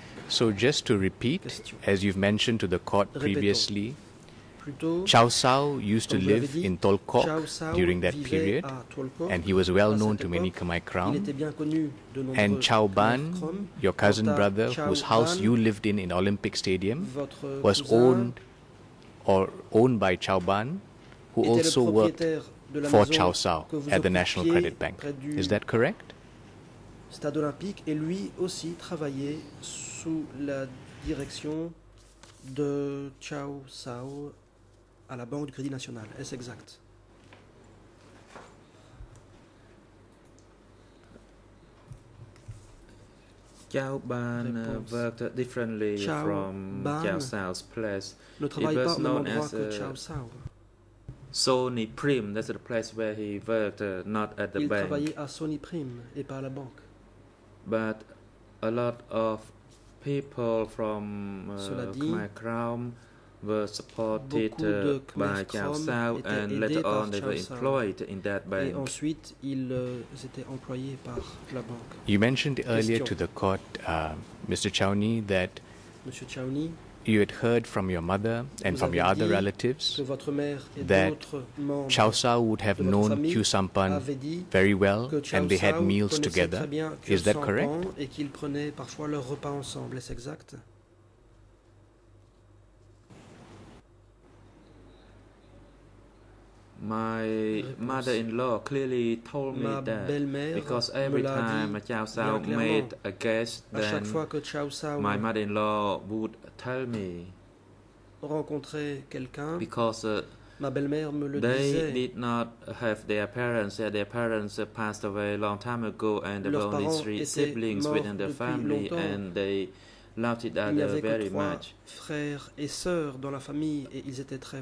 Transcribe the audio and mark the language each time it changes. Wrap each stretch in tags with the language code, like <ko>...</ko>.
<en>So just to repeat, as you've mentioned to the court previously, Chow Sao used to live in Tolkok during that period, and he was well known to many Khmer Krom. And Chow Ban, your cousin brother, whose house you lived in Olympic Stadium, was owned by Chow Ban, who also worked for Chow Sao at the National Credit Bank. Is that correct?</en> <fr>Stade Olympique, et lui aussi travaillait sous la direction de Chow Sao à la Banque du Crédit National. Est-ce exact?</fr> <en>Chow Ban worked differently from Chow Sao's place.</en> <fr>Ne travaille pas au même endroit que Chow Sao.</fr> <en>Sony Prime, that's the place where he worked, not at the bank.</en> <fr>Il travaillait à Sony Prime et pas à la banque.</fr> <en>But a lot of people from Khmer Krom were supported by Chow Sao, and later on they were employed in that bank.</en> <fr>Et ensuite, ils étaient employés par la banque.</fr> <en>You mentioned earlier to the court, Mr. Chowney, that you had heard from your mother and from your other relatives that Chow Sao would have known Khieu Samphan very well, and they had meals together. Is that correct?</en> <fr>Et qu'ils prenaient parfois leur repas ensemble. Est-ce exact?</fr> <en>My mother-in-law clearly told me that, because every time Chow Sao made a guest, then my mother-in-law would tell me,</en> <fr>rencontrer quelqu'un,</fr> <en>because</en> <fr>ma belle-mère me le</fr> <en>they</en> <fr>disait.</fr> <en>Did not have their parents passed away a long time ago, and there were only three siblings within the family,</en> <fr>longtemps.</fr> <en>And they loved each other very much.</en> <fr>Frères et sœurs dans la famille, et ils étaient très</fr>